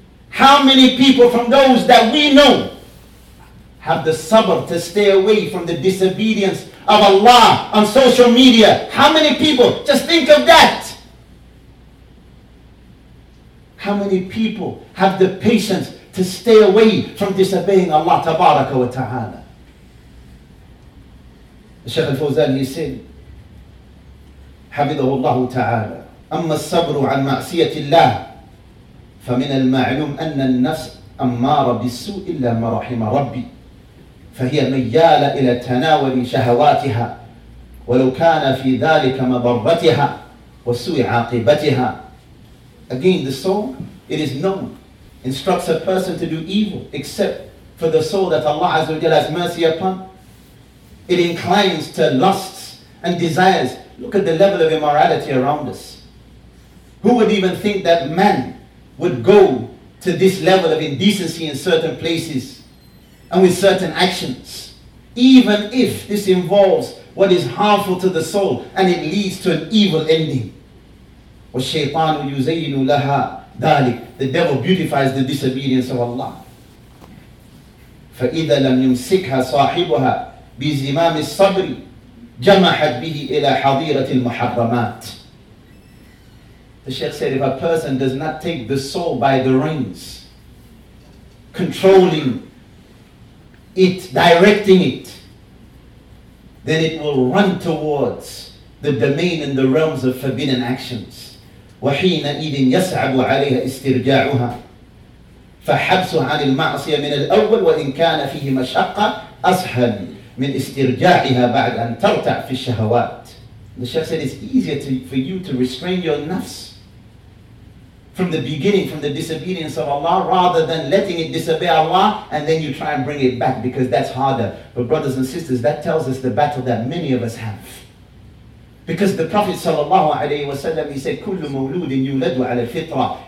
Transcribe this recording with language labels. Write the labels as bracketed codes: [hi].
[en] How many people from those that we know have the sabr to stay away from the disobedience of Allah on social media? How many people? Just think of that. How many people have the patience to stay away from disobeying Allah tabaraka wa ta'ala? Shaykh al-Fawzan, he said, [ar] حَبِذَهُ اللَّهُ تَعَالَى أَمَّا الصَّبْرُ عَنْ مَعْسِيَةِ اللَّهِ فَمِنَ الْمَعْلُومِ أَنَّ النَّفْسَ أَمَّارَ بِالسُّوءِ إِلَّا مَا رَحِمَ رَبِّي فَهِيَ مَيَّالَ إِلَى تَنَاوَلِ شَهَوَاتِهَا وَلَوْ كَانَ فِي ذَلِكَ مَضَرَّتِهَا وَسُوءِ عَاقِبَتِهَا. [en] Again, the soul, it is known, instructs a person to do evil except for the soul that Allah Azza wa Jalla has mercy upon. It inclines to lusts and desires. Look at the level of immorality around us. Who would even think that man would go to this level of indecency in certain places and with certain actions? Even if this involves what is harmful to the soul and it leads to an evil ending. [ar] وَالشَّيْطَانُ يُزَيِّنُ لَهَا ذَلِكَ. [en] The devil beautifies the disobedience of Allah. [ar] فَإِذَا لَمْ يُمْسِكْهَا صَاحِبُهَا بزمام الصبر جمحت به إلى حضيرة المحرمات. [en] The Shaykh said, if a person does not take the soul by the reins, controlling it, directing it, then it will run towards the domain and the realms of forbidden actions. [ar] وَحِينَئِذٍ يَصْعَبُ عَلَيْهَا إِسْتِرْجَاعُهَا فَحَبْسُ عَنِ الْمَعْصِيَ مِنَ الْأَوَّلِ وَإِنْ كَانَ فِيهِ مَشَقَّةٌ أَسْهَلٌ من استرجاعها بعد أن ترتع في الشهوات. [en] The Shaykh said, it's easier for you to restrain your nafs from the beginning, from the disobedience of Allah, rather than letting it disobey Allah and then you try and bring it back, because that's harder. But brothers and sisters, that tells us the battle that many of us have. Because the Prophet sallallahu alaihi wasallam, he said, [ar] كل مولود يولد على الفطرة.